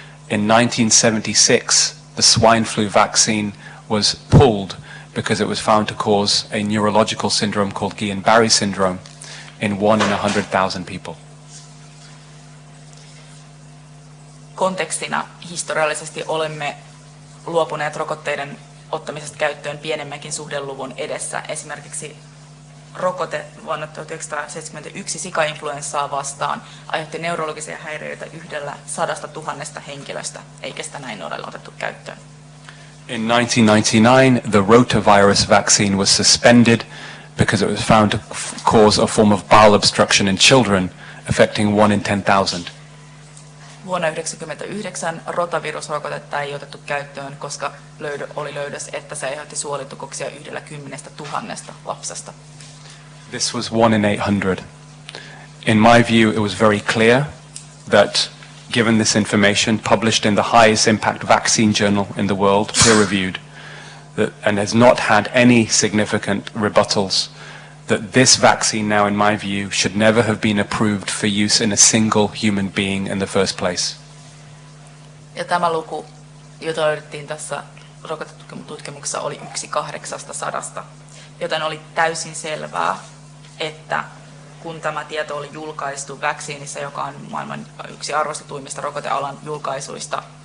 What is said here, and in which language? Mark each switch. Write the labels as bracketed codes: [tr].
[en] In 1976, the swine flu vaccine was pulled because it was found to cause a neurological syndrome called Guillain-Barré syndrome in 1 in 100,000 people. [fi] Kontekstina historiallisesti olemme luopuneet rokotteiden ottamisesta käyttöön pienemmänkin suhdeluvun edessä. Esimerkiksi rokote vuonna 1971 sikainfluenssaa vastaan aiheutti neurologisia häiriöitä 100 000 henkilöstä, eikä sitä näin ole otettu käyttöön. [en] In 1999, the rotavirus vaccine was suspended because it was found to cause a form of bowel obstruction in children affecting 1 in 10,000. [fi] Vuonna 1999 rotavirusrokotetta ei otettu käyttöön, koska oli löydös, että se aiheutti suolitukoksia 10 000 lapsesta. [en] This was 1 in 800. In my view, it was very clear that given this information published in the highest impact vaccine journal in the world, peer-reviewed, that, and has not had any significant rebuttals, that this vaccine now, in my view, should never have been approved for use in a single human being in the first place. [fi] Ja tämä luku, jota löydettiin tässä rokotetutkimuksessa, oli 1/800, joten oli täysin selvää, että kun tämä tieto oli julkaistu vaksiinissa, joka on maailman yksi arvostetuimmista rokotealan julkaisuista,